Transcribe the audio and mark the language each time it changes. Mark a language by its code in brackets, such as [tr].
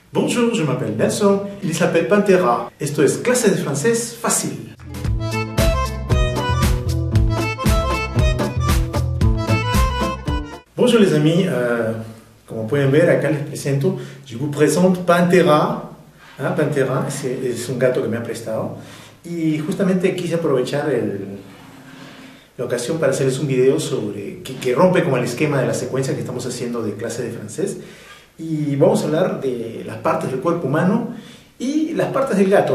[fr] Bonjour, je m'appelle Nelson, il s'appelle Pantera. [es] Esto es clase de francés facile. [fr] Bonjour les amis, comme vous pouvez voir, [es] acá les presento, [fr] je vous présente Pantera. [es] Hein, Pantera, [fr] c'est un [es] gato que me ha prestado. Y justamente quise aprovechar la ocasión para hacerles un video sobre que rompe como el esquema de la secuencia que estamos haciendo de clase de francés. Y vamos a hablar de las partes del cuerpo humano y las partes del gato.